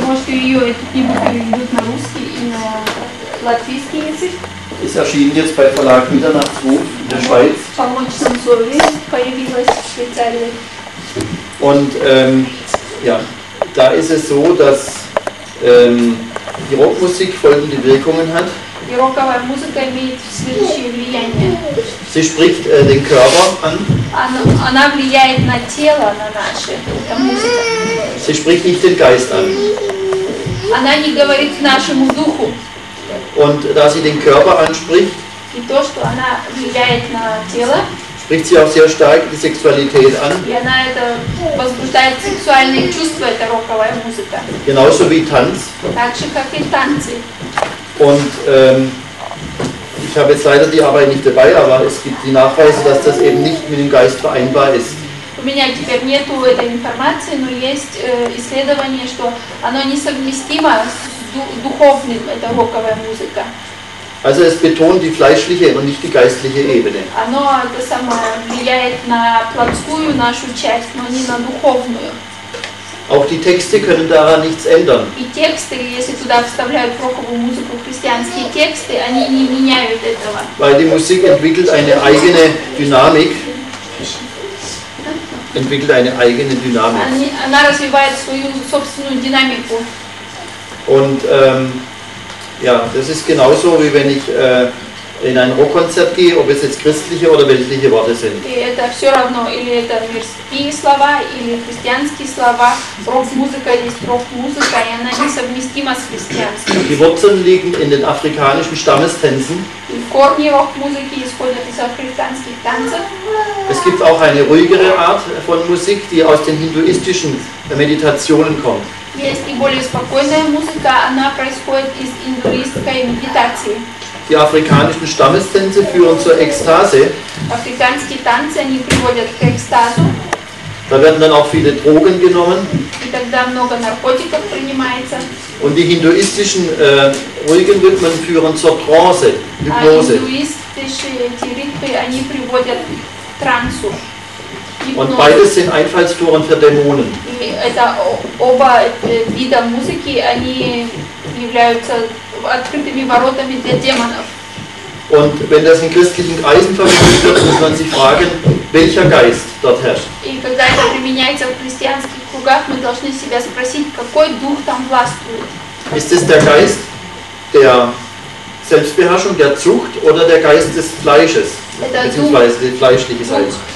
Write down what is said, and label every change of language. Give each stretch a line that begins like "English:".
Russian: Может, ее эти книги переведут на русский и на латвийский язык?
German: Ist erschienen jetzt bei Verlag Mitternachtsruf in der Schweiz.
Russian: Помощь Зори появилась специально.
German: Und ja, da ist es so, dass die Rockmusik folgende Wirkungen hat. Die rockige Musik hat folgende Wirkungen. Sie spricht den Körper an.
Russian: Она влияет на тело, на наше.
German: Sie spricht nicht den Geist an.
Russian: Она не говорит нашему духу.
German: Und da sie den Körper anspricht.
Russian: И то, что она влияет на тело.
German: Spricht sie auch sehr stark die Sexualität an.
Russian: И она это возбуждает сексуальные чувства, это роковая музыка.
German: Genauso wie Tanz.
Russian: Так же, как и танцы.
German: Und ich habe jetzt leider die Arbeit nicht dabei, aber es gibt die Nachweise, dass das eben nicht mit dem Geist vereinbar ist.
Russian: У меня теперь нету этой информации, но есть исследование, что оно несовместимо с духовным, это роковая музыка.
German: Also es betont die fleischliche und nicht die geistliche Ebene.
Russian: Оно это самое влияет на плотскую нашу часть, но не на духовную.
German: Auch die Texte können daran nichts ändern.
Russian: И тексты, если туда вставляют роковую музыку, христианские тексты, они не меняют этого.
German: Weil die Musik entwickelt eine eigene Dynamik. Entwickelt eine eigene Dynamik.
Russian: Она развивает свою собственную динамику.
German: Und ja, das ist genauso, wie wenn ich in ein Rockkonzert gehe, ob es jetzt christliche oder weltliche Worte sind.
Russian: И это все равно, или это мирские слова, или христианские слова. Рок-музыка есть рок-музыка, и она несовместима с христианством.
German: Die Wurzeln liegen in den afrikanischen Stammestänzen.
Russian: И корни рок-музыки исходят из африканских танцев.
German: Es gibt auch eine ruhigere Art von Musik, die aus den hinduistischen Meditationen kommt.
Russian: Есть и более спокойная музыка, она происходит из индуистской медитации.
German: Die afrikanischen Stammestänze führen zur Ekstase. Afrikanische Tänze, die führen zur Ekstase. Da werden dann auch viele Drogen genommen. Und dann werden viele Narkotika genommen. Und die hinduistischen ruhigen Rhythmen führen zur Trance, Hypnose. Hinduistische Rhythmen, die führen zur Trance. Und beides sind Einfallstoren für Dämonen.
Russian: Also, оба вида музыки, они являются открытыми воротами для демонов.
German: Und wenn das in christlichen Kreisen verwendet wird, muss man sich fragen, welcher Geist dort herrscht.
Russian: И когда это применяется в христианских кругах, мы должны себя спросить, какой дух там властвует.
German: Ist es der Geist der Selbstbeherrschung, der Zucht oder der Geist des Fleisches, beziehungsweise des fleischlichen Seins?